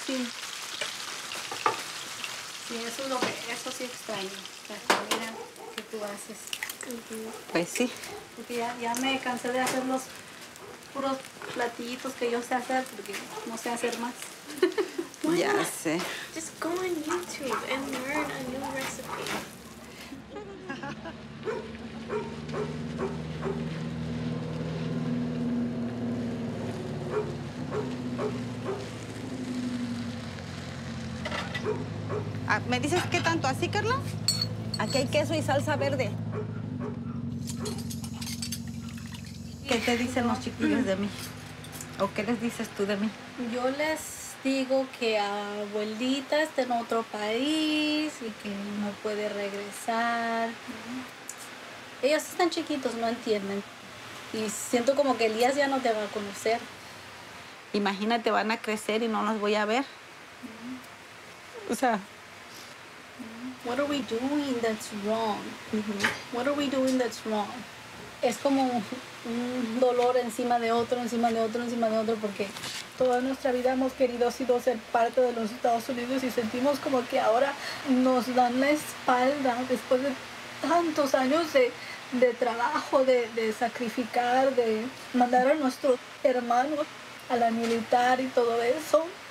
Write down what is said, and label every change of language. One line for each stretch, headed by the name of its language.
Spanish: Sí. Sí, eso es lo que, eso sí extraño. La caverna que tú haces. Pues sí. Porque ya me cansé de hacer los puros platillitos que yo sé hacer porque no sé hacer más. Ya sé.
English: Just go on YouTube and learn a new recipe.
Spanish: Ah, ¿me dices qué tanto? ¿Así, Carla? Aquí hay queso y salsa verde. ¿Qué te dicen los chiquillos de mí? ¿O qué les dices tú de mí? Yo les digo que abuelita está en otro país y que no puede regresar. Ellos están chiquitos, no entienden. Y siento como que Elías ya no te va a conocer. Imagínate, van a crecer y no los voy a ver. O sea...
English: What are we doing that's wrong? What are we doing that's wrong?
Spanish: Es como un dolor encima de otro, encima de otro, encima de otro, porque toda nuestra vida hemos querido sido ser parte de los Estados Unidos y sentimos como que ahora nos dan la espalda después de tantos años de trabajo, de sacrificar, de mandar a nuestros hermanos a la militar y todo eso.